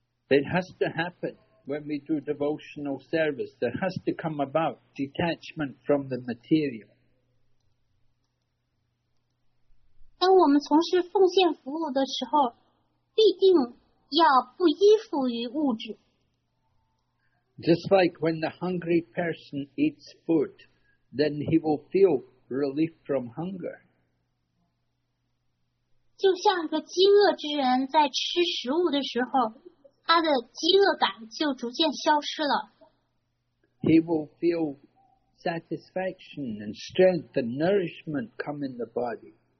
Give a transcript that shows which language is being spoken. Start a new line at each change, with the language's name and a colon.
English: It has to happen when we do devotional service. There has to come about detachment from the material.
Chinese: 当我们从事奉献服务的时候，必定要不依附于物质。
English: Just like when the hungry person eats food, then he will feel relief from hunger.
Chinese: 就像个饥饿之人在吃食物的时候，他的饥饿感就逐渐消失了。
English: He will feel satisfaction and strength and nourishment come in the body.